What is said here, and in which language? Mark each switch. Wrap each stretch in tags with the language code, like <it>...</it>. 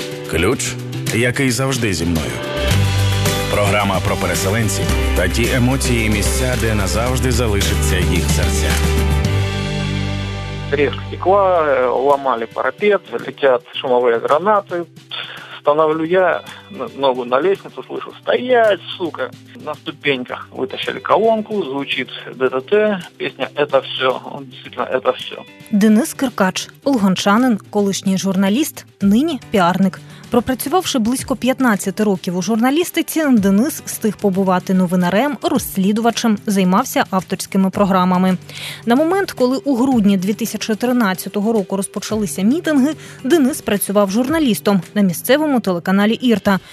<uk>Ключ, який завжди зі мною. Програма про переселенців та ті емоції і місця, де назавжди залишиться їх серця. Різко стекла, ламали парапет, летять шумові гранати.</uk> <ru>Становлю я ногу на лестницу, слышу, стоять, сука, на ступеньках. Вытащили колонку, звучит ДДТ, песня «Это все», действительно, «Это все».</ru> <uk>Денис Киркач – луганчанин, колишній журналіст, нині – піарник. Пропрацювавши близько 15 років у журналістиці, Денис встиг побувати новинарем, розслідувачем, займався авторськими програмами. На момент, коли у грудні 2013 року розпочалися мітинги, Денис працював журналістом на місцевому телеканалі «Ірта».</uk>